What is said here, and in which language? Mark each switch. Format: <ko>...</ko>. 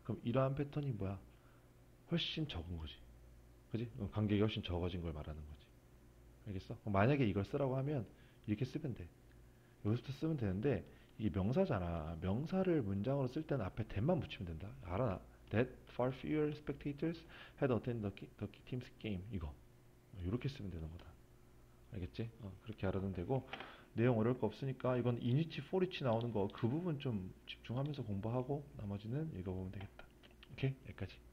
<ko>그럼 이러한 패턴이 뭐야? 훨씬 적은 거지. 그지? 관객이 훨씬 적어진 걸 말하는 거지. 알겠어? 만약에 이걸 쓰라고 하면 이렇게 쓰면 돼. 여기서부터 쓰면 되는데 이게 명사잖아. 명사를 문장으로 쓸 때는 앞에 that만 붙이면 된다. 알아?</ko> <en>That far fewer spectators had attended the team's game.</en> <ko>이거 이렇게 쓰면 되는 거다. 알겠지? 그렇게 알아두면 되고, 내용 어려울 거 없으니까 이건 인위치 포리치 나오는 거그 부분 좀 집중하면서 공부하고 나머지는 읽어보면 되겠다. 오케이, 여기까지.</ko>